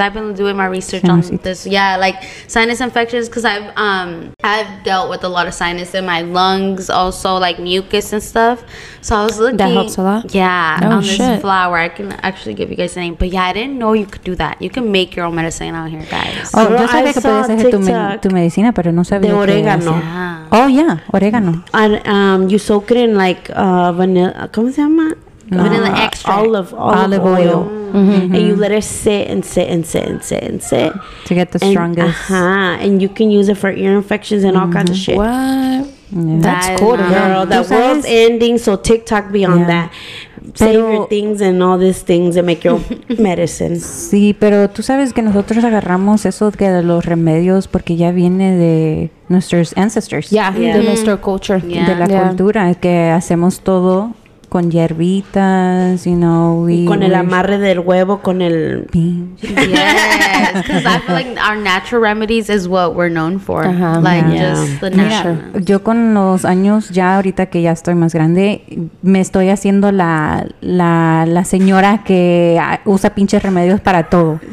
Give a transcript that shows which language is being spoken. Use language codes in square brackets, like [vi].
[en] I've been doing my research on this, like sinus infections, because I've dealt with a lot of sinus in my lungs, also like mucus and stuff. So I was looking, that helps a lot. This flower, I can actually give you guys a name, but yeah, I didn't know you could do that. You can make your own medicine out here, guys. [es] Oh, yo sabía que podías hacer tu medicina, pero no sabía de orégano. Orégano. [en] And you soak it in like vanilla, [es] ¿cómo se llama? [en] Vanilla extract. Olive oil. And you let it sit to get the strongest. And you can use it for ear infections and all kinds of shit. That's cool, girl. The world's ending, so TikTok beyond that. Save your things and all these things and make your medicine. [es] Sí, pero tú sabes que nosotros agarramos eso que de los remedios porque ya viene de nuestros [en] ancestors. [es] De nuestra [en] culture. [es] De la cultura, que hacemos todo con hierbitas, [en] you know. [es] Con el amarre del huevo, con el... [en] Yes, because I feel like our natural remedies is what we're known for. [es] Yo con los años, ya ahorita que ya estoy más grande, me estoy haciendo la señora que usa pinches remedios para todo.